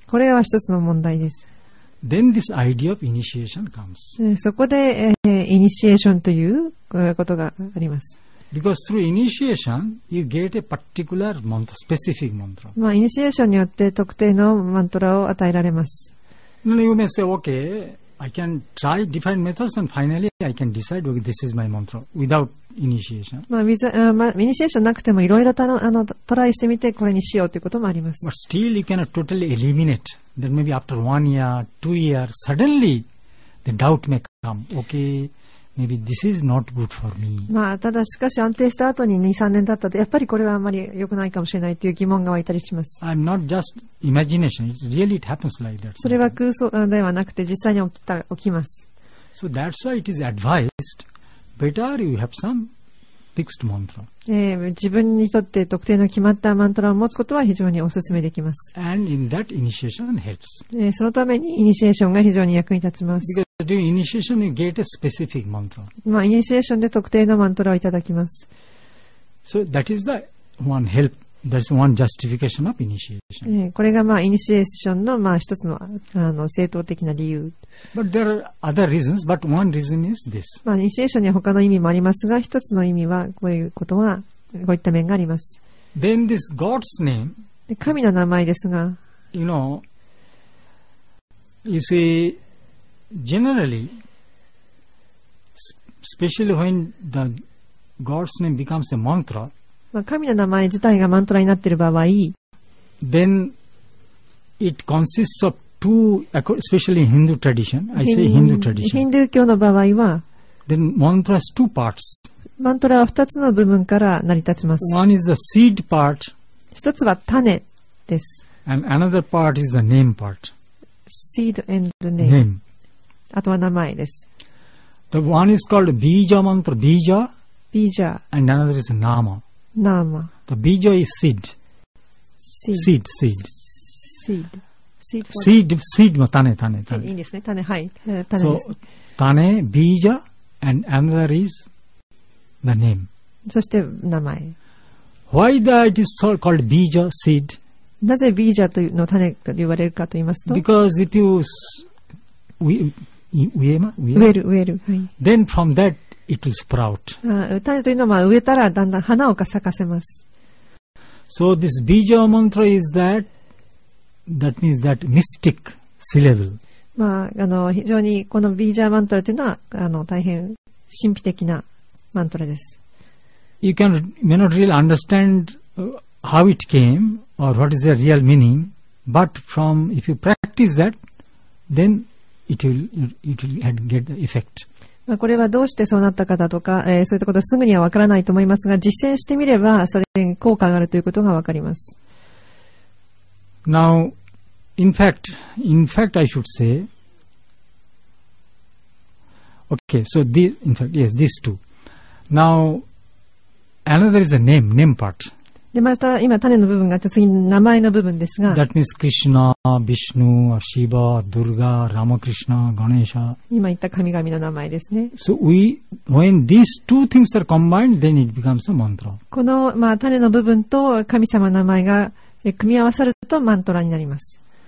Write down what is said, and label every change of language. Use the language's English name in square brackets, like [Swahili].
[Japanese] これは一つの問題です [English] then this idea of initiation comes. [Japanese] そこで、イニシエーションということがあります [English] Because through initiation, you get a particular mantra, specific mantra. [Japanese] まあ、イニシエーションによって特定のマントラを与えられます。 [English] Then you may say, okay, I can try different methods and finally I can decide, okay, this is my mantra without initiation. [Japanese] まあ、イニシエーションなくてもいろいろトライしてみてこれにしようということもあります。 [English] But still you cannot totally eliminate. Then maybe after 1 year, 2 years, suddenly the doubt may come, okay. Maybe this is not good for me. [Japanese] まあ、ただしかし安定した後に 2,3 年経ったとやっぱりこれはあまり良くないかもしれないという疑問が湧いたりします [English] I'm not just imagination. It's really it happens like that. [Japanese] それは空想ではなくて実際に起きます [English] So that's why it is advised better you have some fixed mantra. [Japanese] 自分にとって特定の決まったマントラを持つことは非常にお勧めできます [English] And in that initiation helps. [Japanese] そのためにイニシエーションが非常に役に立ちます [English] イニシエーションに get a specific mantra. [Japanese] まあ、イニシエーションで特定のマントラをいただきます。 [English] So that is the one help. That's one justification of initiation. [Japanese] これがまあ、イニシエーションのまあ、一つの、正当的な理由。 [English] But there are other reasons, but one reason is this. [Japanese] まあ、イニシエーションには他の意味もありますが、一つの意味はこういうことは、こういった面があります。 [English] Then this God's name. [Japanese] 神の名前ですが。 [English] You know, you see,Generally, especially when the God's name becomes a mantra, [Japanese] 神の名前自体がマントラになっている場合、 [English] then it consists of two, especially in Hindu tradition, I say Hindu tradition. [Japanese] Hindu 教の場合は、 [English] then mantra has two parts. [Japanese] マントラは二つの部分から成り立ちます。 [English] One is the seed part. [Japanese] 一つは種です。 [English] And another part is the name part. Seed and the name. Name. [Japanese] あとは名前です。 [English] The one is called Bija mantra, Bija. Bija. And another is Nama. Nama. The Bija is seed. Seed. Seed. Seed. Seed. Seed. Seed. Seed. [Japanese] も種、種、種。いいですね。種、はい。種です。 [English] So, 種、Bija, and another is the name. [Japanese] そして名前。 [English] Why that is called Bija seed? [Japanese] なぜ Bija の種と呼ばれるかと言いますと。 [English] Because if you植える [Japanese] 、はい、 [English] Then from that it will sprout. [Japanese] 種というのは植えたらだんだん花を咲かせます。 [English] So this Bija mantra is that means that mystic syllable. [Japanese] まあ、非常にこの Bija mantra というのは大変神秘的なマントラです。 [English] You can may not really understand how it came or what is the real meaning, but from if you practice that, thenIt will get the effect. [Japanese] まあ、これはどうしてそうなったかだとか、そういったことはすぐにはわからないと思いますが、実践してみればそれに効果があるということがわかります。 [English] Now, in fact, I should say, okay, so this, in fact, yes, these two. Now, another is the name part. [Japanese] でまた今種の部分があって次に名前の部分ですが [English] That means Krishna, Vishnu, Shiva, Durga, Ramakrishna, Ganesha [Japanese] 今言った神々の名前ですね [English] So when these two things are combined then it becomes a mantra [Japanese] この、まあ、種の部分と神様の名前が組み合わさるとマントラになります